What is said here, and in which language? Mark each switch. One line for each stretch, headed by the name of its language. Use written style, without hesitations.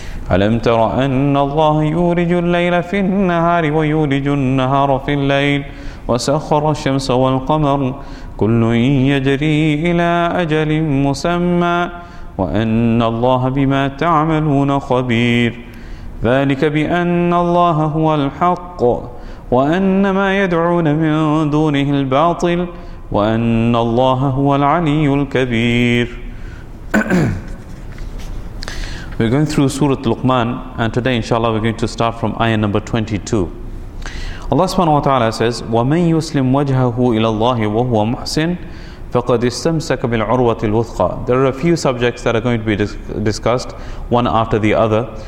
Arabic: ألم تر أن الله يولج الليل في النهار ويولج النهار في الليل، وسخر الشمس والقمر كل يجري إلى أجل مسمى، وأن الله بما تعملون خبير. ذلك بأن الله هو الحق، وأن ما يدعون من دونه الباطل، وأن الله هو العلي الكبير.
English: We're going through Surah Luqman, and today inshallah we're going to start from ayah number 22. Allah subhanahu wa ta'ala says,
Arabic: وَمَنْ يُسْلِمْ وَجْهَهُ إِلَى اللَّهِ وَهُوَ مُحْسِنٌ فَقَدْ اسْتَمْسَكَ بِالْعُرْوَةِ الْوُثْقَى.
English: There are a few subjects that are going to be discussed, one after the other.